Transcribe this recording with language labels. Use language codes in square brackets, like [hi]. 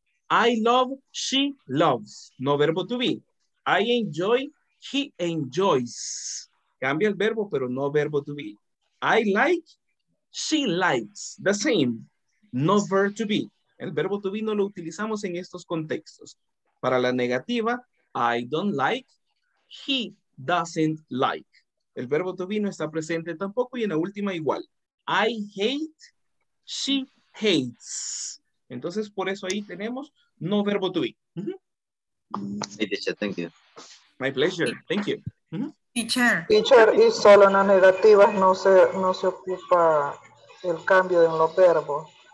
[en] I love, she loves. No verbo to be. I enjoy, he enjoys. [es] Cambia el verbo, pero no verbo [en] to be. I like, she likes. The same. No verb to be. [es] El verbo to be no lo utilizamos en estos contextos. Para la negativa, [en] I don't like, he doesn't like. [es] El verbo to be no está presente tampoco, y en la última igual. [en] I hate, she hates. [es] Entonces, por eso ahí tenemos no verbo to be. [en] Teacher, thank you. My pleasure, thank you. [es] Teacher, y solo en las negativas no se ocupa el cambio en los verbos.